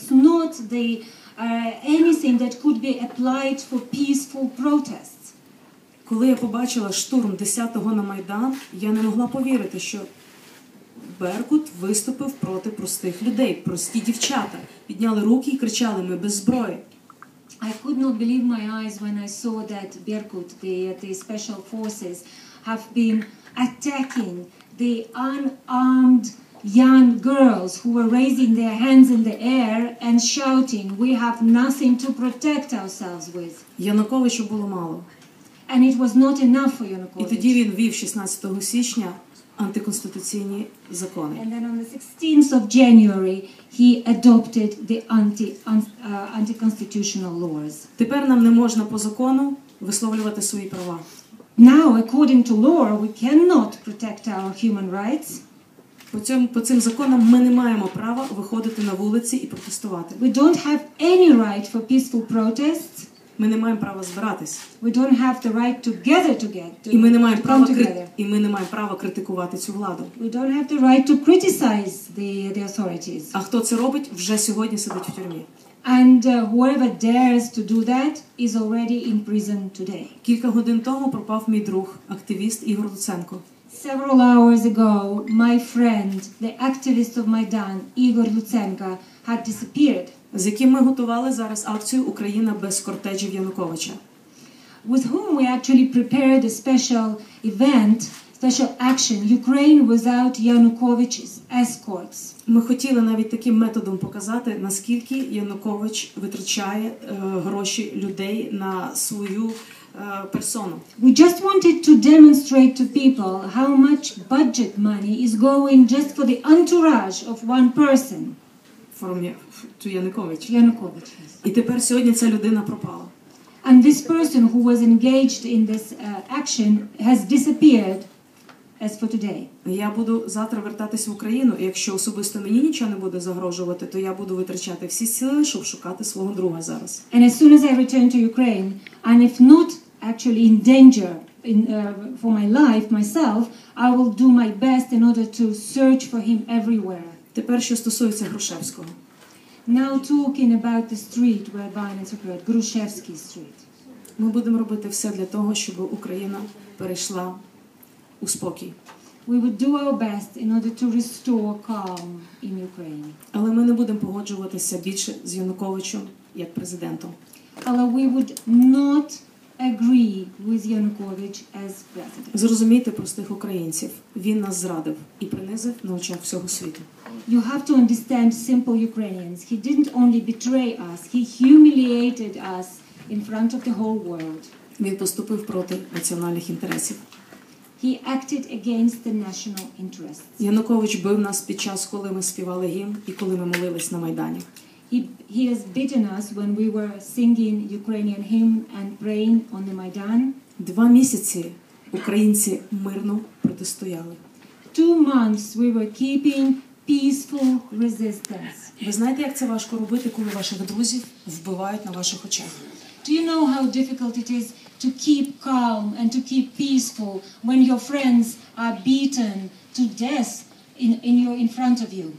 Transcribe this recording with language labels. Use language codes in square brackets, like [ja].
[en] It's not the anything that could be applied for peaceful protests. [uk] Коли я побачила штурм 10-го на Майдан, я не могла повірити, що Беркут виступив проти простих людей, прості дівчата. Підняли руки і кричали: ми без зброї. [en] I could not believe my eyes when I saw that Беркут, the special forces, have been attacking the unarmed young girls who were raising their hands in the air and shouting, we have nothing to protect ourselves with. [uk] Януковичу було мало. [en] And it was not enough for Yanukovych. [uk] І тоді він ввів 16 січня антиконституційні закони. [en] And then on the 16th of January he adopted the anti-constitutional laws. [uk] Тепер нам не можна по закону висловлювати свої права. [en] Now, according to law, we cannot protect our human rights. [uk] По цим законам ми не маємо права виходити на вулиці і протестувати. [en] We don't have any right for peaceful protests. [uk] Ми не маємо права збиратись. [en] We don't have the right to gather together. [uk] І ми не маємо права критикувати цю владу. [en] We don't have the right to criticize the authorities. [uk] А хто це робить, вже сьогодні сидить в тюрмі. [en] And whoever dares to do that is already in prison today. [uk] Кілька годин тому пропав мій друг, активіст Ігор Луценко. [en] Several hours ago, my friend, the activist of Maidan, Ігор Луценко, had disappeared. [uk] З яким ми готували зараз акцію «Україна без кортежів Януковича». [en] With whom we actually prepared a special event, special action, Ukraine without Yanukovych's escorts. [uk] Ми хотіли навіть таким методом показати, наскільки Янукович витрачає гроші людей на свою персону. [en] We just wanted to demonstrate to people how much budget money is going just for the entourage of one person. [uk] Янукович. І тепер сьогодні ця людина пропала. [en] And this person who was engaged in this action has disappeared as for today. [uk] Я буду завтра вертатись в Україну, і якщо особисто мені нічого не буде загрожувати, то я буду витрачати всі сили, щоб шукати свого друга зараз. [en] And as soon as I return to Ukraine, and if not actually in danger for my life, myself, I will do my best in order to search for him everywhere. [uk] Тепер що стосується Грушевського. [en] Now talking about the street where violence occurred, Грушевський street. [uk] Ми будемо робити все для того, щоб Україна перейшла у спокій. [en] We would do our best in order to restore calm in Ukraine. [uk] Але ми не будемо погоджуватися більше з Януковичем як президентом. Але [en] we would not agree with Yanukovych as president. [uk] Зрозумійте простих українців. Він нас зрадив і принизив на очах всього світу. [en] You have to understand simple Ukrainians. He didn't only betray us, he humiliated us in front of the whole world. [uk] Він поступив проти національних інтересів. [en] He acted against the national interests. [uk] Янукович бив нас під час, коли ми співали гімн і коли ми молились на Майдані. [en] He has beaten us when we were singing Ukrainian hymn and praying on the Maidan. [uk] 2 місяці українці мирно протистояли. [en] 2 months we were keeping peaceful resistance. [uk] Ви знаєте, як це важко робити, коли ваших друзів вбивають на ваших очах? [en] Do you know how difficult it is to keep calm and to keep peaceful when your friends are beaten to death in front of you?